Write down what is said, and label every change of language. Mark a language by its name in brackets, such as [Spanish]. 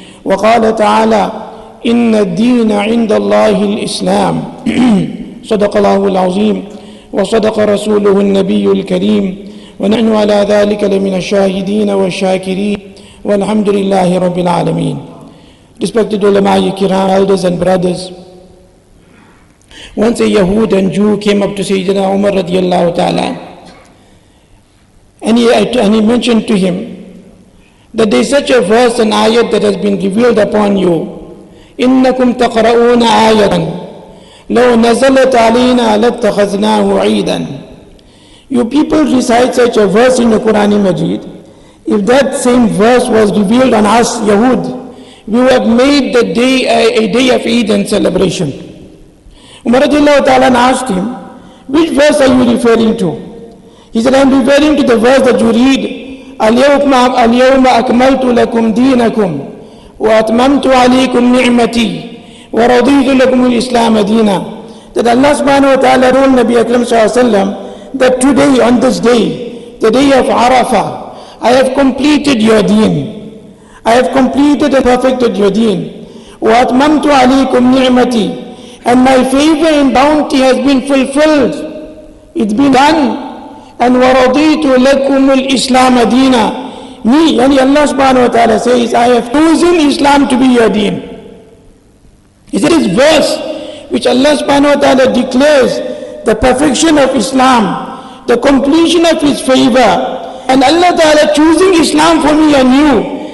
[Arabic] وقال تعالى: إن الدين عند الله الإسلام. صدق الله العظيم وصدق رسوله النبي الكريم، ونحن على ذلك لمن الشاهدين والشاكرين، والحمد لله رب العالمين. [English] Respected ulama kiram, elders and brothers, once a Yahud and Jew came up to Sayyidina Umar radiallahu ta'ala, and he mentioned to him that there is such a verse and ayat that has been revealed upon you. [Arabic] إِنَّكُمْ تَقْرَؤُونَ آيَةً لَوْ نَزَلَتْ عَلَيْنَا لَتَّخَذْنَاهُ عِيدًا. [English] You people recite such a verse in the Qur'an Majid. If that same verse was revealed on us, Yahud, we would have made the day a day of Eid and celebration. Umar radiallahu ta'ala asked him, which verse are you referring to? He said, I'm referring to the verse that you read, [Arabic] أَلْيَوْمَ أَكْمَلْتُ لَكُمْ دِينَكُمْ وَأَتْمَمْتُ عَلَيْكُمْ نِعْمَتِي وَرَضِيْتُ لَكُمُ الْإِسْلَامَ دِينَا. [English] That Allah subhanahu wa ta'ala told Nabi Akram sallallahu alayhi wa sallam that today, on this day, the day of Arafah, I have completed your deen. I have completed and perfected your deen. [Arabic] وَأَتْمَمْتُ عَلَيْكُمْ نِعْمَتِي. [English] And my favor and bounty has been fulfilled. It's been done. [Arabic] And وَرَضِيْتُ لَكُمُ الْإِسْلَامَ دِينَا. [English] Me, yani Allah subhanahu wa ta'ala says, I have chosen Islam to be your deen. Is it this verse which Allah subhanahu wa ta'ala declares the perfection of Islam, the completion of His favor, and Allah ta'ala choosing Islam for me and you?